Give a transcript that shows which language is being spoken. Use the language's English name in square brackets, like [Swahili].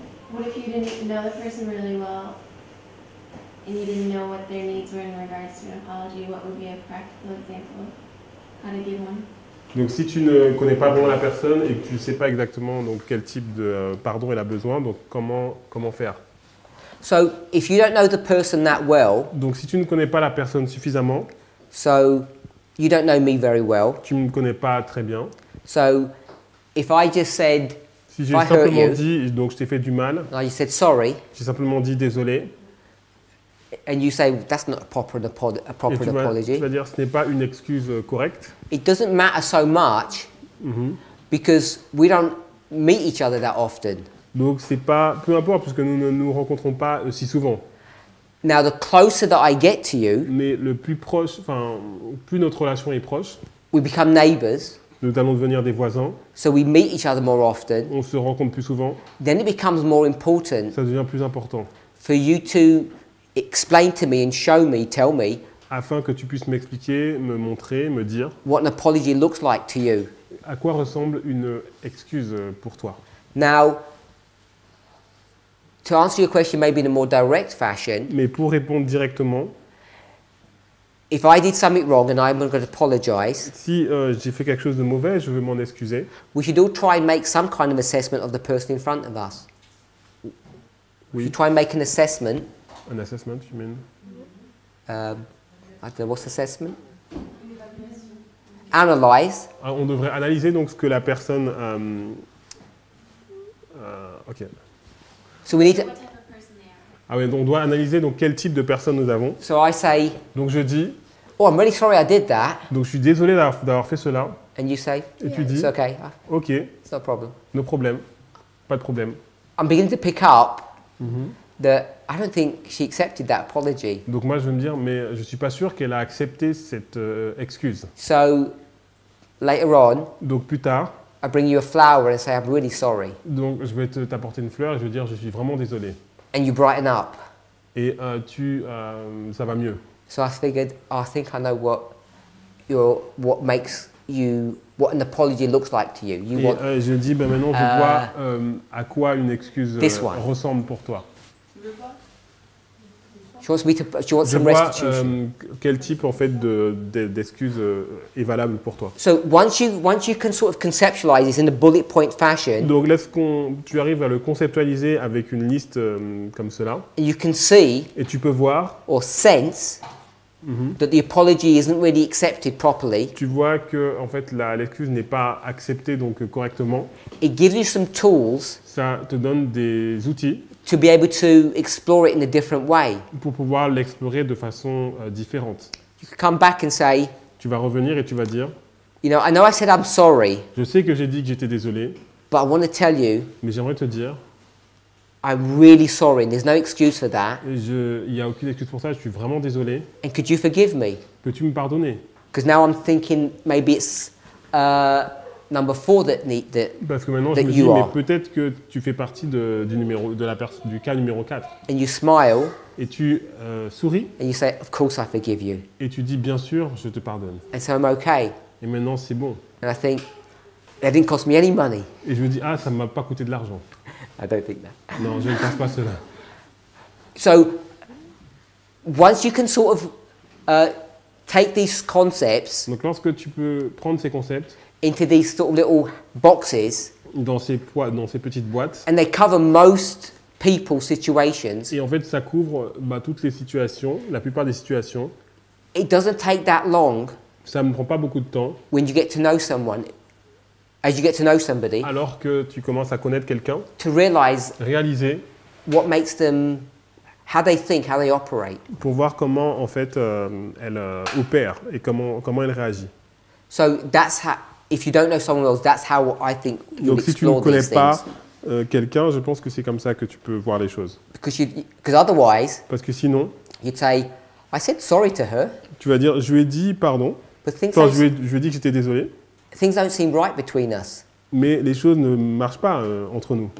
[English] What if you didn't know the person really well and you didn't know what their needs were in regards to an apology, what would be a practical example? How to give one? [French] Donc si tu ne connais pas vraiment la personne et que tu ne sais pas exactement donc quel type de pardon elle a besoin, donc comment faire? [English] So if you don't know the person that well, [French] donc si tu ne connais pas la personne suffisamment, [English] so you don't know me very well, [French] tu ne me connais pas très bien. [English] So if I just said [French] si j'ai simplement dit, donc je t'ai fait du mal. [English] No, you said sorry. [French] J'ai simplement dit désolé. [English] And you say that's not a proper apology. [French] Tu vas dire ce n'est pas une excuse correcte. [English] It doesn't matter so much because we don't meet each other that often. [French] Donc c'est pas peu importe puisque nous ne nous rencontrons pas si souvent. [English] Now the closer that I get to you, [French] mais le plus proche, enfin plus notre relation est proche, [English] we become neighbors. [French] Nous allons devenir des voisins. [English] So we meet each other more often. [French] On se rencontre plus souvent. [English] Then it becomes more important. [French] Ça devient plus important. [English] For you to explain to me and show me, tell me. [French] Afin que tu puisses m'expliquer, me montrer, me dire. [English] What an apology looks like to you. [French] À quoi ressemble une excuse pour toi? [English] Now, to answer your question, maybe in a more direct fashion. [French] Mais pour répondre directement. [English] If I did something wrong and I'm going to apologize, [French] si j'ai fait quelque chose de mauvais, je vais m'en excuser. [English] We should all try and make some kind of assessment of the person in front of us. [French] Oui. [English] We should try and make an assessment. An assessment, you mean? I don't know, what's assessment? Analyze. [French] On devrait analyser donc ce que la personne. [English] Ok. So we need to. [French] Ah oui, donc on doit analyser donc quel type de personne nous avons. [English] So I say, [French] donc je dis. [English] Oh, I'm really sorry I did that. [French] Donc je suis désolé d'avoir fait cela. [English] And you say, [French] et yeah, tu dis. [English] It's okay. Ok. It's no problem. No problem. [French] Pas de problème. [English] I'm beginning to pick up that I don't think she accepted that apology. [French] Donc moi je veux me dire, mais je suis pas sûr qu'elle a accepté cette excuse. [English] So Later on, [French] donc plus tard, [English] I bring you a flower and say I'm really sorry. [French] Donc je vais t'apporter une fleur et je vais dire je suis vraiment désolé. [English] And you brighten up. [French] Et ça va mieux. [English] So I figured, I think I know what your what makes you what an apology looks like to you. You [French] et want, je dis ben maintenant je vois à quoi une excuse ressemble pour toi. [English] She wants me to, she wants some restitution. [French] Quel type en fait d'excuse est valable pour toi? [English] So once you can sort of conceptualize this in a bullet point fashion. [French] Donc lorsqu'on tu arrives à le conceptualiser avec une liste comme cela. [English] You can see. [French] Et tu peux voir. [English] Or sense. Mm-hmm. That the apology isn't really accepted properly. [French] Tu vois que en fait l'excuse n'est pas acceptée donc correctement. [English] It gives you some tools. [French] Ça te donne des outils. [English] To be able to explore it in a different way. [French] Pour pouvoir l'explorer de façon différente. [English] You can come back and say. [French] Tu vas revenir et tu vas dire. [English] You know, I know I said I'm sorry. [French] Je sais que j'ai dit que j'étais désolé. [English] But I want to tell you. [French] Mais j'aimerais te dire. [English] I'm really sorry. There's no excuse for that. [French] Il y a aucune excuse pour ça. Je suis vraiment désolé. [English] And could you forgive me? [French] Peux-tu me pardonner? [English] Because now I'm thinking maybe it's number four that need that. [French] Parce que maintenant je me dis mais peut-être que tu fais partie du cas numéro 4. [English] And you smile. [French] Et tu souris. [English] And you say, of course I forgive you. [French] Et tu dis bien sûr je te pardonne. [English] And so I'm okay. [French] Et maintenant c'est bon. [English] And I think that didn't cost me any money. [French] Et je me dis ah ça m'a pas coûté de l'argent. [English] I don't think that. [French] Non, je ne pense pas cela. [English] So once you can sort of take these concepts. [French] Donc lorsque tu peux prendre ces concepts. [English] Into these sort of little boxes. [French] Dans ces petites boîtes. [English] And they cover most people's situations. [French] Et en fait, ça couvre toutes les situations, la plupart des situations. [English] It doesn't take that long. [French] Ça ne prend pas beaucoup de temps. [English] When you get to know someone, as you get to know somebody. [French] Alors que tu commences à connaître quelqu'un. [English] To realize. [French] Réaliser. [English] What makes them, how they think, how they operate. [French] Pour voir comment en fait elle opère et comment elle réagit. [English] So that's how. If you don't know someone else, that's how I think you explore these things. [French] Donc si tu ne connais pas quelqu'un, je pense que c'est comme ça que tu peux voir les choses. [English] Because otherwise. [French] Parce que sinon. [English] You'd say, I said sorry to her. [French] Tu vas dire, je lui ai dit pardon. [English] But things. [French] Enfin, je lui ai dit que j'étais désolé. [English] Things don't seem right between us. [French] Mais les choses ne marchent pas entre nous.